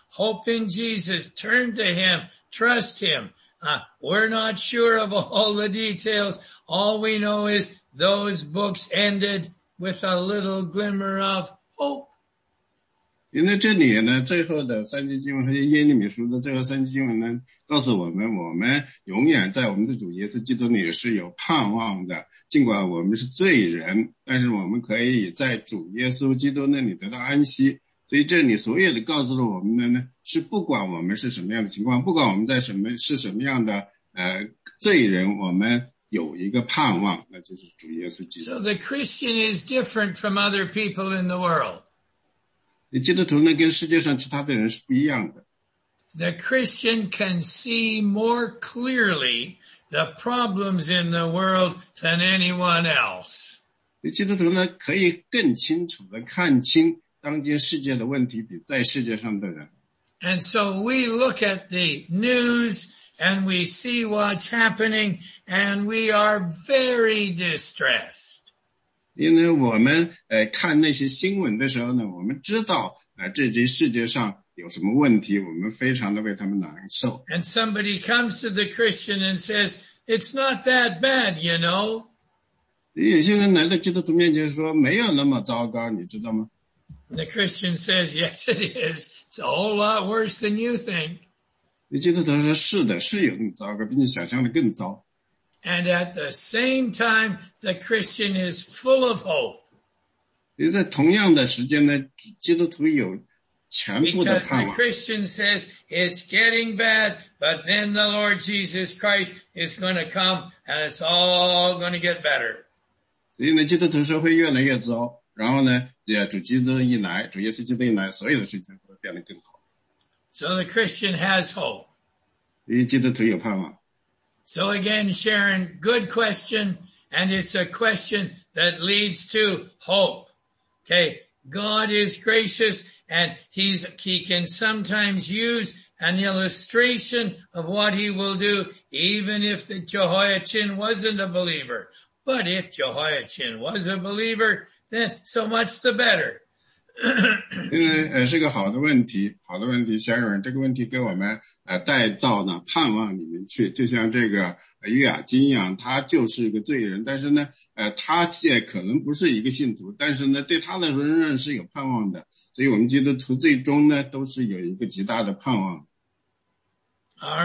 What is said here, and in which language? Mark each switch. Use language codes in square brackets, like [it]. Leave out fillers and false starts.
[en] Hope in Jesus, turn to him, trust him. We're not sure of all the details. All we know is those books ended with a little glimmer of hope. [zh] 因为这里呢，最后的三节经文和耶利米书的最后三节经文呢，告诉我们永远在我们的主耶稣基督里是有盼望的。尽管我们是罪人，但是我们可以在主耶稣基督那里得到安息。所以这里所有的告诉了我们的呢，是不管我们是什么样的情况，不管我们在什么样的罪人，我们有一个盼望，那就是主耶稣基督。 [en] So the Christian is different from other people in the world. [zh] 基督徒呢，跟世界上其他的人是不一样的。 [en] The Christian can see more clearly the problems in the world than anyone else. [zh] 基督徒呢，可以更清楚地看清当今世界的问题，比在世界上的人。 [en] And so we look at the news, and we see what's happening, and we are very distressed. [zh] 因为我们看那些新闻的时候呢，我们知道这些世界上有什么问题，我们非常的为他们难受。 [en] And somebody comes to the Christian and says, it's not that bad, you know. [zh] 有些人来到基督徒面前说，没有那么糟糕，你知道吗？ [en] The Christian says, yes, it is. It's a whole lot worse than you think. [zh] 你记得他说是的，是有那么糟糕，比你想象的更糟。 [en] And at the same time, the Christian is full of hope. [zh] 你在同样的时间呢，基督徒有全部的盼望。 [en] Because the Christian says it's getting bad, but then the Lord Jesus Christ is going to come, and it's all going to get better. [zh] 所以呢，基督徒说会越来越糟，然后呢，主基督一来，主耶稣基督一来，所有的事情会变得更好。 [en] So the Christian has hope. [zh] 因为基督徒有盼望。 [en] So again, Sharon, good question, and it's a question that leads to hope. Okay, God is gracious, and he can sometimes use an illustration of what he will do, even if the Jehoiachin wasn't a believer. But if Jehoiachin was a believer, then so much the better. [zh] 因为是个好的问题，好的问题，Sharon，这个问题给我们带到呢盼望里面去，就像这个约雅金一样，他就是一个罪人，但是呢，他也可能不是一个信徒，但是呢，对他的仍然是有盼望的，所以我们基督徒最终呢，都是有一个极大的盼望。 [en] All